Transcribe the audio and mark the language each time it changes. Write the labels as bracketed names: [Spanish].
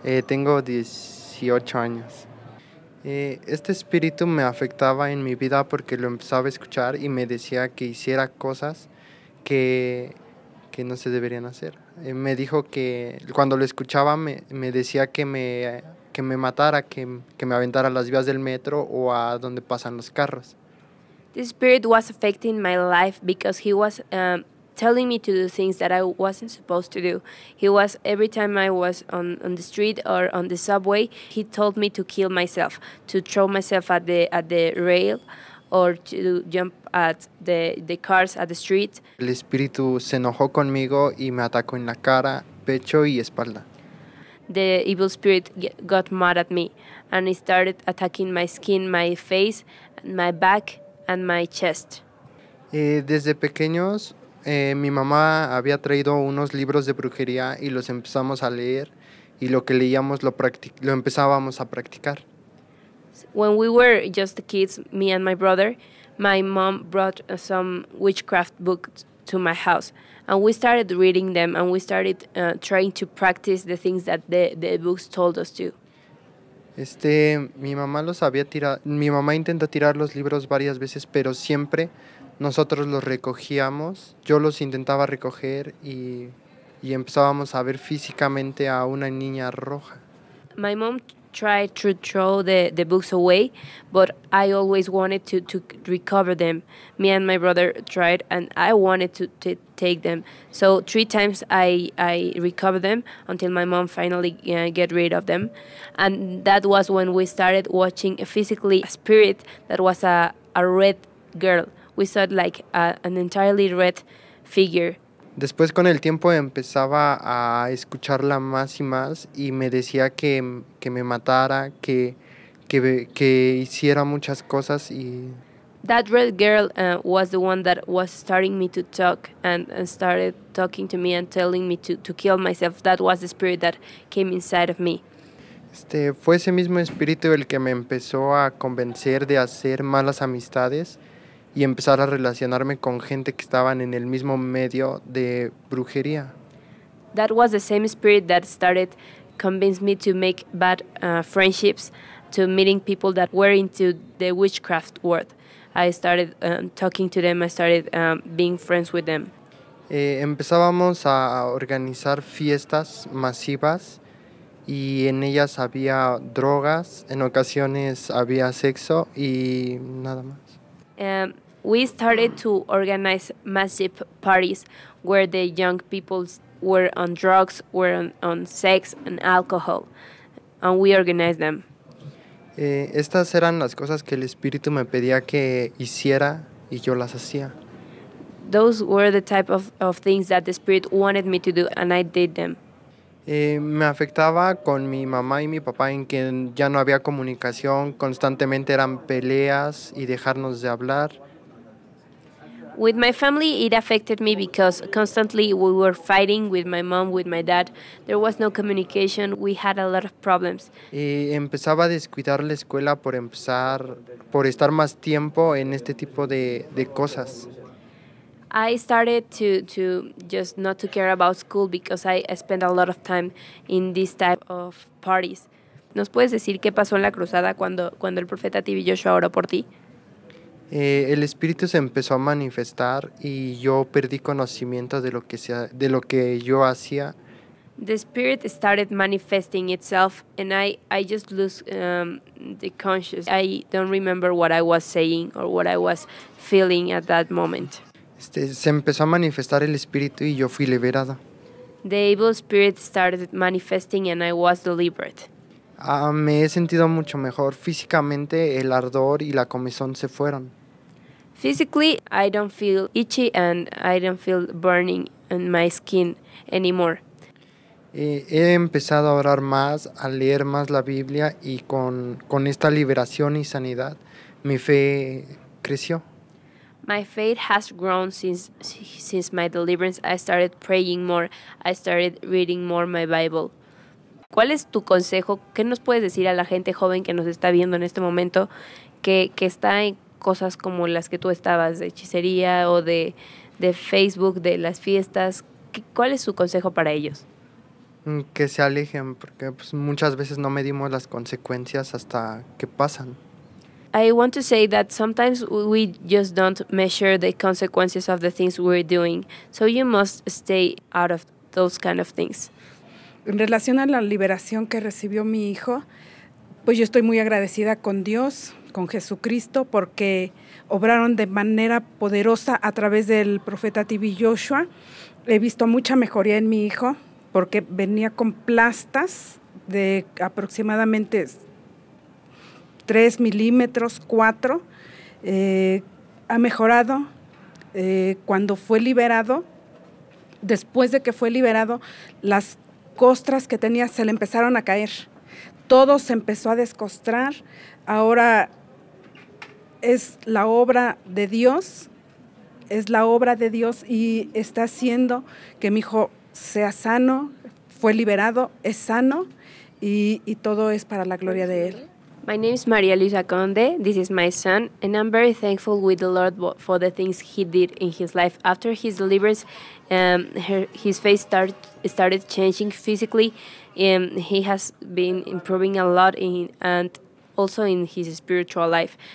[Spanish] Tengo 18 años. Este espíritu me afectaba en mi vida porque lo empezaba a escuchar y me decía que hiciera cosas que no se deberían hacer. Me dijo que cuando lo escuchaba me decía que me matara, que me aventara a las vías del metro o a donde pasan los carros. [English] This spirit was affecting my life because he was... telling me to do things that I wasn't supposed to do. He was, every time I was on the street or on the subway, he told me to kill myself, to throw myself at the rail, or to jump at the cars at the street. [Spanish] El espíritu se enojó conmigo y me atacó en la cara, pecho y espalda. [English] The evil spirit got mad at me, and he started attacking my skin, my face, my back, and my chest. [Spanish] Desde pequeños... mi mamá había traído unos libros de brujería y los empezamos a leer y lo que leíamos lo empezábamos a practicar. [English] When we were just kids, me and my brother, my mom brought some witchcraft books to my house and we started reading them and we started trying to practice the things that the books told us to. [Spanish] Mi mamá los había tirado, mi mamá intentó tirar los libros varias veces, pero siempre nosotros los recogíamos, yo los intentaba recoger y empezábamos a ver físicamente a una niña roja. [English] My mom tried to throw the books away, but I always wanted to recover them. Me and my brother tried and I wanted to take them. So three times I recovered them until my mom finally get rid of them. And that was when we started watching physically a spirit that was a red girl. We saw like an entirely red figure. [Spanish] Después con el tiempo empezaba a escucharla más y más y me decía que me matara, que hiciera muchas cosas y... [English] That red girl was the one that was starting me to talk and started talking to me and telling me to kill myself. That was the spirit that came inside of me. [Spanish] Fue ese mismo espíritu el que me empezó a convencer de hacer malas amistades y empezar a relacionarme con gente que estaban en el mismo medio de brujería. [English] That was the same spirit that started convinced me to make bad friendships, to meeting people that were into the witchcraft world. I started talking to them, I started being friends with them. [Spanish] Empezábamos a organizar fiestas masivas y en ellas había drogas, en ocasiones había sexo y nada más. [English] We started to organize massive parties where the young people were on drugs, were on sex and alcohol, and we organized them. [Spanish] Estas eran las cosas que el espíritu me pedía que hiciera y yo las hacía. [English] Those were the type of things that the spirit wanted me to do, and I did them. [Spanish] Me afectaba con mi mamá y mi papá en que ya no había comunicación, constantemente eran peleas y dejarnos de hablar. [English] With my family, it affected me because constantly we were fighting with my mom, with my dad. There was no communication. We had a lot of problems. [Spanish] Empezaba a descuidar la escuela por estar más tiempo en este tipo de cosas. [English] I started to just not to care about school because I spent a lot of time in this type of parties. [Spanish] ¿Nos puedes decir qué pasó en la cruzada cuando el profeta T.B. Joshua oró por ti? El espíritu se empezó a manifestar y yo perdí conocimiento de lo que yo hacía. [English] The spirit started manifesting itself and I just lose the consciousness. I don't remember what I was saying or what I was feeling at that moment. [Spanish] Se empezó a manifestar el espíritu y yo fui liberada. [English] The evil spirit started manifesting and I was delivered. [Spanish] Me he sentido mucho mejor. Físicamente, el ardor y la comezón se fueron. [English] Physically, I don't feel itchy and I don't feel burning in my skin anymore. [Spanish] He empezado a orar más, a leer más la Biblia y con esta liberación y sanidad, mi fe creció. [English] My faith has grown since my deliverance. I started praying more. I started reading more my Bible. [Spanish] ¿Cuál es tu consejo? ¿Qué nos puedes decir a la gente joven que nos está viendo en este momento que está en cosas como las que tú estabas, de hechicería o de Facebook, de las fiestas? ¿Cuál es su consejo para ellos? Que se alejen, porque pues, muchas veces no medimos las consecuencias hasta que pasan. [English] I want to say that sometimes we just don't measure the consequences of the things we're doing. So you must stay out of those kind of things. [Spanish] En relación a la liberación que recibió mi hijo, pues yo estoy muy agradecida con Dios, con Jesucristo, porque obraron de manera poderosa a través del profeta T.B. Joshua. He visto mucha mejoría en mi hijo, porque venía con plastas de aproximadamente 3 milímetros, 4. Ha mejorado. Cuando fue liberado, después de que fue liberado, las costras que tenía se le empezaron a caer. Todo se empezó a descostrar. Ahora es la obra de Dios, y está haciendo que mi hijo sea sano, fue liberado, es sano, y todo es para la gloria de él. [English] My name is María Luisa Conde, this is my son, and I'm very thankful with the Lord for the things he did in his life. After his deliverance, his face started changing physically, and he has been improving a lot also in his spiritual life.